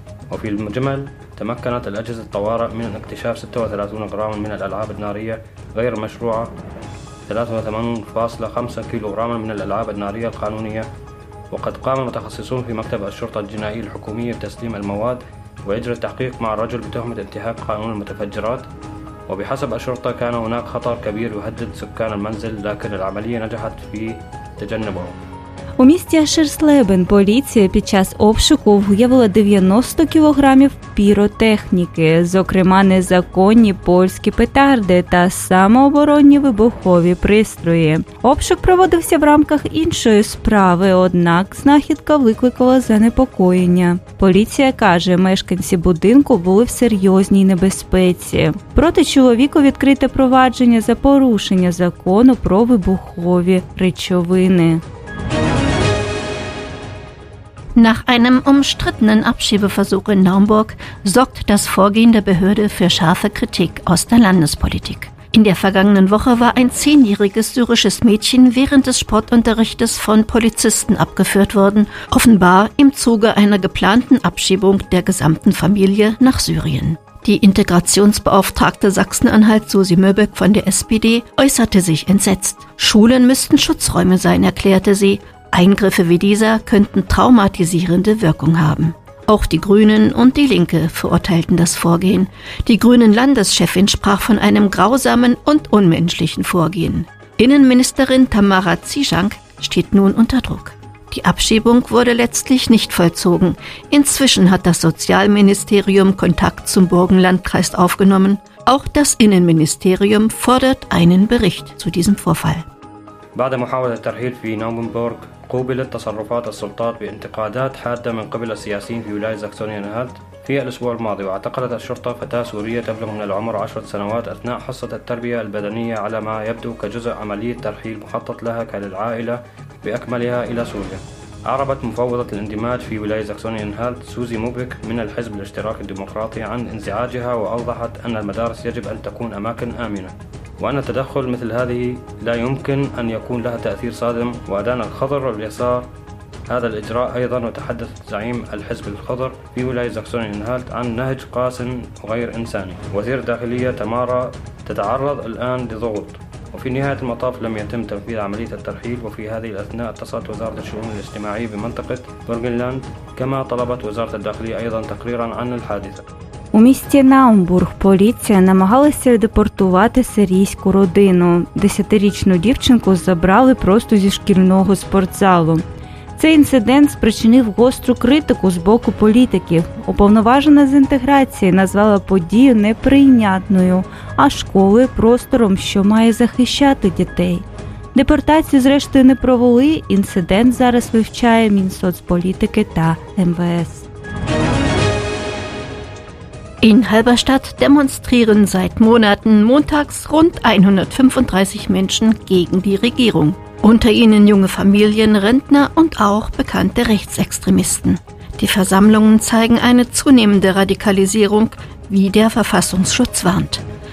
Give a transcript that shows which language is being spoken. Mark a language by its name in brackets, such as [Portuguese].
[Arabic] وفي المجمل تمكنت الأجهزة الطوارئ من اكتشاف 36 غراما من الألعاب النارية غير مشروعة، 83.5 كيلو غراما من الألعاب النارية القانونية. وقد قام المتخصصون في مكتب الشرطة الجنائية الحكومية بتسليم المواد وإجرى التحقيق مع الرجل بتهمة انتهاك قانون المتفجرات. وبحسب الشرطة كان هناك خطر كبير يهدد سكان المنزل، لكن العملية نجحت في تجنبه. [Ukrainian] У місті Ашерслебен поліція під час обшуку виявила 90 кілограмів піротехніки, зокрема незаконні польські петарди та самооборонні вибухові пристрої. Обшук проводився в рамках іншої справи, однак знахідка викликала занепокоєння. Поліція каже, мешканці будинку були в серйозній небезпеці. Проти чоловіку відкрите провадження за порушення закону про вибухові речовини. [German] Nach einem umstrittenen Abschiebeversuch in Naumburg sorgt das Vorgehen der Behörde für scharfe Kritik aus der Landespolitik. In der vergangenen Woche war ein 10-jähriges syrisches Mädchen während des Sportunterrichtes von Polizisten abgeführt worden, offenbar im Zuge einer geplanten Abschiebung der gesamten Familie nach Syrien. Die Integrationsbeauftragte Sachsen-Anhalt Susi Möbeck von der SPD äußerte sich entsetzt. Schulen müssten Schutzräume sein, erklärte sie. Eingriffe wie dieser könnten traumatisierende Wirkung haben. Auch die Grünen und die Linke verurteilten das Vorgehen. Die Grünen-Landeschefin sprach von einem grausamen und unmenschlichen Vorgehen. Innenministerin Tamara Tsishank steht nun unter Druck. Die Abschiebung wurde letztlich nicht vollzogen. Inzwischen hat das Sozialministerium Kontakt zum Burgenlandkreis aufgenommen. Auch das Innenministerium fordert einen Bericht zu diesem Vorfall. [Arabic] بعد محاولة الترحيل في نومبورغ قوبلت تصرفات السلطات بانتقادات حادة من قبل السياسيين في ولاية ساكسونيا أنهالت في الأسبوع الماضي، واعتقلت الشرطة فتاة سورية تبلغ من العمر 10 سنوات أثناء حصة التربية البدنية على ما يبدو كجزء عملية ترحيل مخطط لها كالعائلة بأكملها إلى سوريا. أعربت مفوضة الاندماج في ولاية ساكسونيا أنهالت سوزي موبيك من الحزب الاشتراكي الديمقراطي عن انزعاجها، وأوضحت أن المدارس يجب أن تكون أماكن آمنة، وأن التدخل مثل هذه لا يمكن أن يكون لها تأثير صادم. وأدان الخضر واليسار هذا الإجراء أيضا، وتحدث زعيم الحزب الخضر في ولاية ساكسونيا أنهالت عن نهج قاس وغير إنساني. وزير الداخلية تمارا تتعرض الآن لضغوط، وفي نهاية المطاف لم يتم تنفيذ عملية الترحيل. وفي هذه الأثناء اتصلت وزارة الشؤون الاجتماعية بمنطقة بورغنلاند، كما طلبت وزارة الداخلية أيضا تقريرا عن الحادثة. [Ukrainian] У місті Наумбург поліція намагалася депортувати сирійську родину. 10-річну дівчинку забрали просто зі шкільного спортзалу. Цей інцидент спричинив гостру критику з боку політиків. Уповноважена з інтеграції назвала подію неприйнятною, а школи – простором, що має захищати дітей. Депортацію, зрештою, не провели. Інцидент зараз вивчає Мінсоцполітики та МВС. [German] In Halberstadt demonstrieren seit Monaten montags rund 135 Menschen gegen die Regierung. Unter ihnen junge Familien, Rentner und auch bekannte Rechtsextremisten. Die Versammlungen zeigen eine zunehmende Radikalisierung, wie der Verfassungsschutz warnt.